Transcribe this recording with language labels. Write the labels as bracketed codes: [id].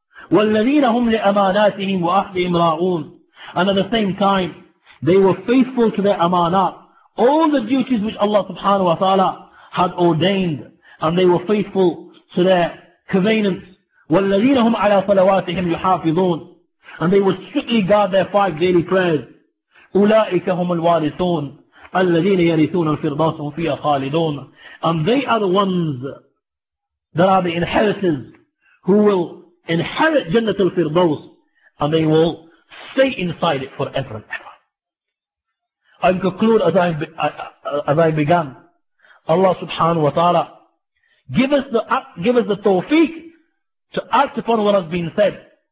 [ar] وَالَّذِينَ هُمْ لِأَمَانَاتِهِمْ وَأَحْدِهِمْ رَاعُونَ, [en] and at the same time, they were faithful to their amanat, all the duties which Allah subhanahu wa ta'ala had ordained, and they were faithful to their covenants. [ar] وَالَّذِينَ هُمْ عَلَى صَلَوَاتِهِمْ يُحَافِظُونَ, [en] and they would strictly guard their five daily prayers. [ar] أُولَٰئِكَ هُمُ الْوَارِثُونَ, الذين يرثون الفردوس هم فيها خالدون. [en] And they are the ones that are the inheritors who will inherit جنة الفردوس and they will stay inside it forever and ever. I conclude as I began. Allah subhanahu wa ta'ala, give us the tawfiq to act upon what has been said.